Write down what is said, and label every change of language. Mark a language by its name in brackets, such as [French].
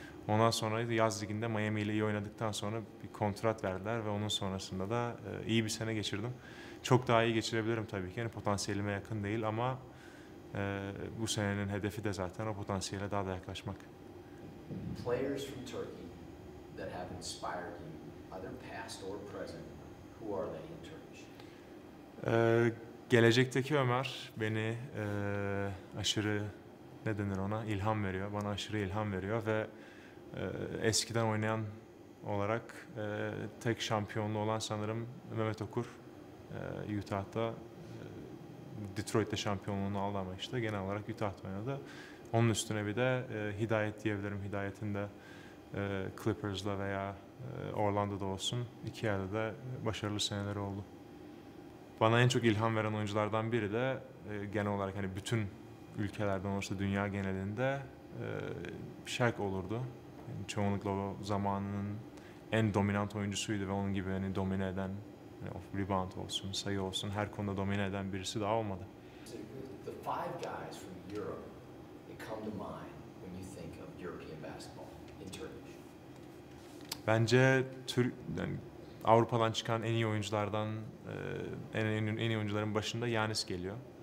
[Turkish] Ondan sonra yaz liginde Miami ile iyi oynadıktan sonra bir kontrat verdiler ve onun sonrasında da iyi bir sene geçirdim. Çok daha iyi geçirebilirim tabii ki. Yani potansiyelime yakın değil ama bu senenin hedefi de zaten o potansiyele daha da yaklaşmak. [English] Players from Turkey that have inspired you, either past or present, who are they in Turkish? [Turkish] Gelecekteki Ömer beni aşırı, ne denir ona, ilham veriyor. Bana aşırı ilham veriyor ve eskiden oynayan olarak tek şampiyonluğu olan sanırım Mehmet Okur. Utah'da, Detroit'te şampiyonluğunu aldı ama işte genel olarak Utah'da oynadı. Onun üstüne bir de Hidayet diyebilirim. Hidayet'in de Clippers'la veya Orlando'da olsun, iki yerde de başarılı seneleri oldu. Bana en çok ilham veren oyunculardan biri de genel olarak hani bütün ülkelerden olursa dünya genelinde Shaq olurdu. Yani çoğunlukla o zamanının en dominant oyuncusuydu ve onun gibi hani domine eden, hani off rebound olsun, sayı olsun, her konuda domine eden birisi daha olmadı. [English] The five guys from Europe that come to mind when you think of European basketball in Turkish. [Turkish] Bence Avrupa'dan çıkan en iyi oyunculardan, en iyi oyuncuların başında Giannis geliyor.